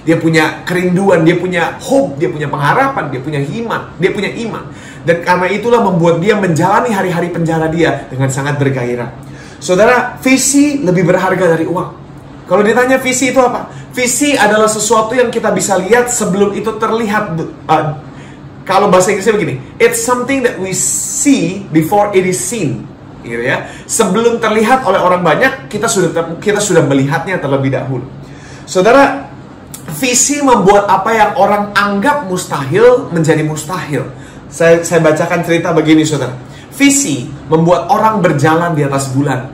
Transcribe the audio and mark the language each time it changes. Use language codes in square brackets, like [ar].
[id] Dia punya kerinduan, dia punya hope, dia punya pengharapan, dia punya iman, dia punya iman. Dan karena itulah membuat dia menjalani hari-hari penjara dia dengan sangat bergairah. Saudara, visi lebih berharga dari uang. Kalau ditanya visi itu apa? Visi adalah sesuatu yang kita bisa lihat sebelum itu terlihat. Kalau bahasa Inggrisnya begini, [en] it's something that we see before it is seen. [id] Gitu ya. Sebelum terlihat oleh orang banyak, kita sudah melihatnya terlebih dahulu. Saudara, visi membuat apa yang orang anggap mustahil menjadi mustahil. Saya bacakan cerita begini, saudara. Visi membuat orang berjalan di atas bulan.